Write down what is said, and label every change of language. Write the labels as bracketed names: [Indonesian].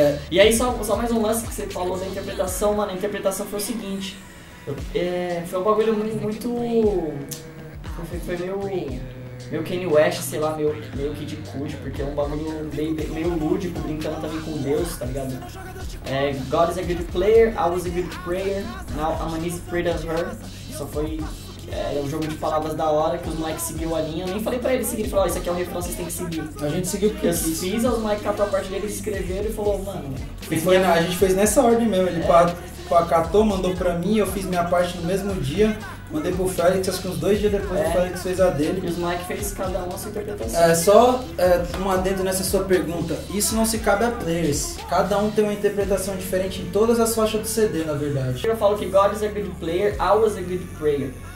[Portuguese] E aí, só mais um lance que você falou da interpretação, mano. A interpretação foi o seguinte. Foi um bagulho muito... Foi meio Kanye West, sei lá, meio Kid Cudi, porque é um bagulho meio lúdico, brincando também com Deus, tá ligado? [English] God is a good player, I was a good prayer, now I'm an easy prey as her. [Portuguese] Só foi... Era um jogo de palavras da hora, que os moleques seguiam a linha. Eu nem falei pra eles seguir, falou, isso aqui é um refrão, vocês têm que seguir. A gente seguiu porque eu fiz, os moleques catou a parte dele, escreveram e falou, mano... A gente fez nessa ordem mesmo, ele catou, mandou pra mim, eu fiz minha parte no mesmo dia. Mandei pro Félix, acho que uns dois dias depois o Félix fez a dele. E os moleques fez cada um a sua interpretação. Um adendo nessa sua pergunta, isso não se cabe a players. Cada um tem uma interpretação diferente em todas as faixas do CD, na verdade. Eu falo que [English] God is a good player, I was a good prayer.